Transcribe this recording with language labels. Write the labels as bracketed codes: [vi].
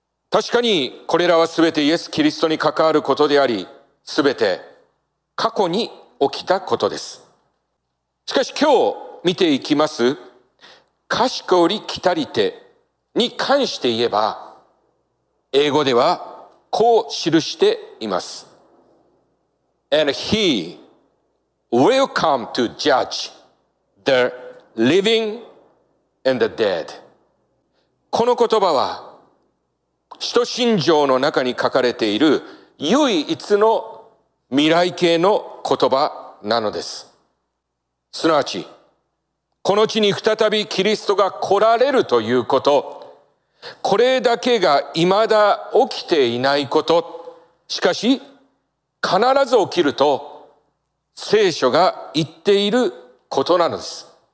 [ja] 確かにこれらはすべてイエス・キリストに関わることであり、すべて過去に起きたことです。しかし今日見ていきますかしこより来たりてに関して言えば、英語ではこう記しています。 [en] And he will come to judge the living and the dead。 [ja] この言葉は使徒信条の中に書かれている唯一の未来形の言葉なのです。すなわちこの地に再びキリストが来られるということ、これだけが未だ起きていないこと、しかし必ず起きると聖書が言っていることなのです。